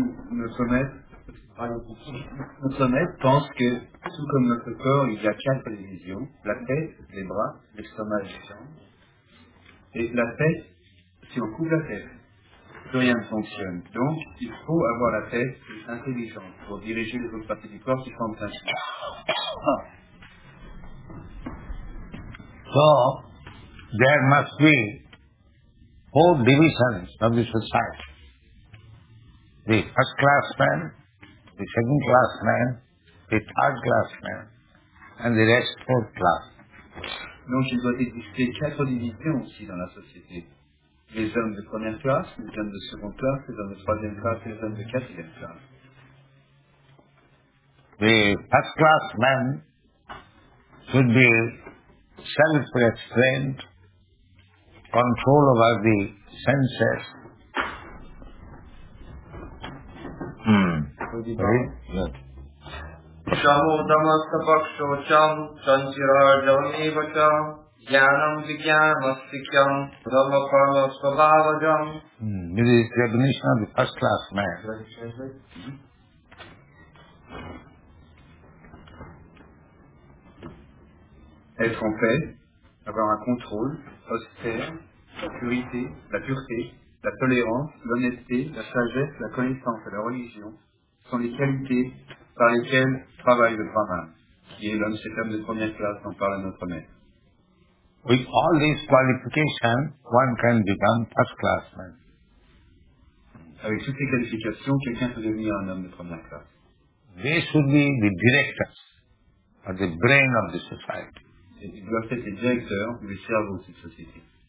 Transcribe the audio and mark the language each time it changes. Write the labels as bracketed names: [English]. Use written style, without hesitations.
[French] Notre maître pense que, tout comme notre corps, il y a quatre divisions, la tête, les bras, l'estomac et le sang. Et la tête, si on coupe la tête, plus rien ne fonctionne. Donc, il faut avoir la tête plus intelligente pour diriger les autres parties du corps qui forment un sens. [English] So, there must be four divisions of this society. The first class man, the second class man, the third class man, and the rest fourth class. [French] Donc il doit exister quatre divisions aussi dans la société. Les hommes de première classe, les hommes de seconde classe, les hommes de troisième classe, les hommes de quatrième classe. [English] The first class man should be self-restraint, control over the senses, This is the definition of the first class man. [French] Être en paix, avoir un contrôle, austère, la purité, la pureté, la tolérance, l'honnêteté, la sagesse, la connaissance et la religion sont les qualités par lesquelles travaille le Brahman, qui est l'homme cet homme de première classe dont parle notre maître. [English] With all these qualifications, one can become first class man. [French] Avec toutes ces qualifications, quelqu'un peut devenir un homme de première classe. [English] They should be the directors or the brain of the society. [French] Et ils doivent être les directeurs ou les cerveaux de cette société.